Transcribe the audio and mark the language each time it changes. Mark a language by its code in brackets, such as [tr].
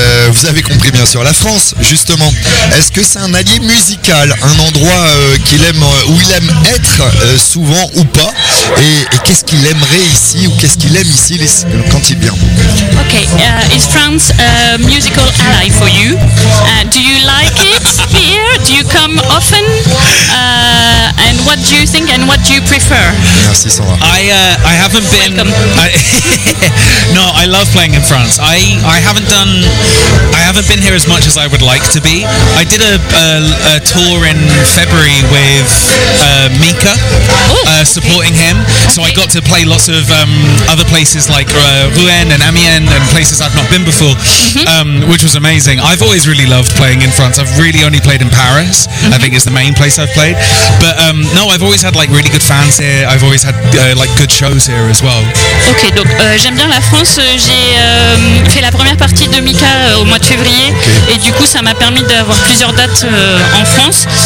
[fr] Vous avez compris bien sûr. La France, justement, est-ce que c'est un allié musical, un endroit qu'il aime, où il aime être souvent ou pas, et qu'est-ce qu'il aimerait ici, ou qu'est-ce qu'il aime ici quand il vient? [en] Ok, is France a musical ally for you? Do you like it here? Do you come often? And what do you think and what do you prefer? [fr] Merci Sandra. [en] I haven't been... No, I love playing in France. I haven't been here as much as I would like to be. I did a tour in February with Mika, supporting him. So I got to play lots of other places like Rouen and Amiens and places I've not been before, which was amazing. I've always really loved playing in France. I've really only played in Paris, I think is the main place I've played. But no, I've always had like really good fans here. I've always had like good shows here as well. [fr] Ok, donc j'aime bien la France. J'ai fait la première partie de Mika au mois de février, et du coup ça m'a permis d'avoir plusieurs dates en France.